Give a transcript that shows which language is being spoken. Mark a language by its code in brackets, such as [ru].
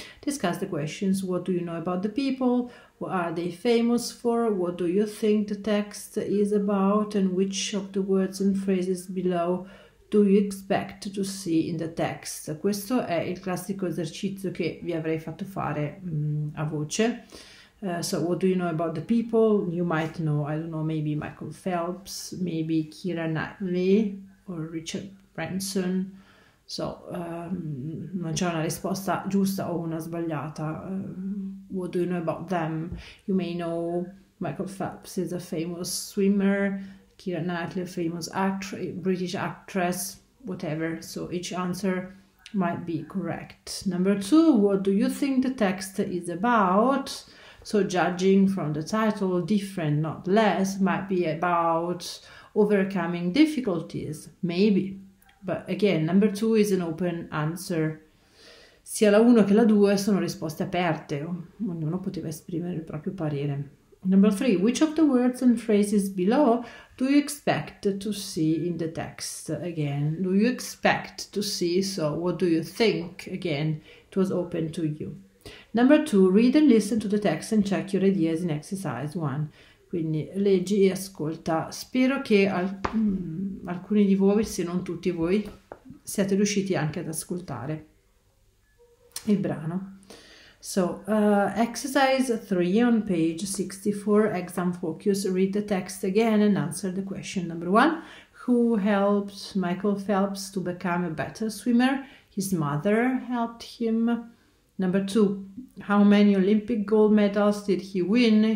[en] Discuss the questions: What do you know about the people? What are they famous for? What do you think the text is about? And which of the words and phrases below do you expect to see in the text? [it] Questo è il classico esercizio che vi avrei fatto fare, a voce. [en] So, what do you know about the people? You might know, I don't know, maybe Michael Phelps, maybe Keira Knightley or Richard Branson. [it] Non c'è una risposta giusta o una sbagliata. [en] What do you know about them? You may know Michael Phelps is a famous swimmer, Keira Knightley, a famous British actress, whatever. So each answer might be correct. Number two, what do you think the text is about? So judging from the title, different, not less, might be about overcoming difficulties, maybe. But again, number two is an open answer. [it] Sia la 1 che la 2 sono risposte aperte, ognuno poteva esprimere il proprio parere. [en] Number three, which of the words and phrases below do you expect to see in the text? Again, do you expect to see? So, what do you think? Again, it was open to you. Number two, read and listen to the text and check your ideas in exercise 1. [it] Quindi leggi e ascolta. Spero che alcuni di voi, se non tutti voi, siate riusciti anche ad ascoltare il brano. [en] So, exercise 3 on page 64, exam focus. Read the text again and answer the question number 1. Who helped Michael Phelps to become a better swimmer? His mother helped him. Number two, how many Olympic gold medals did he win?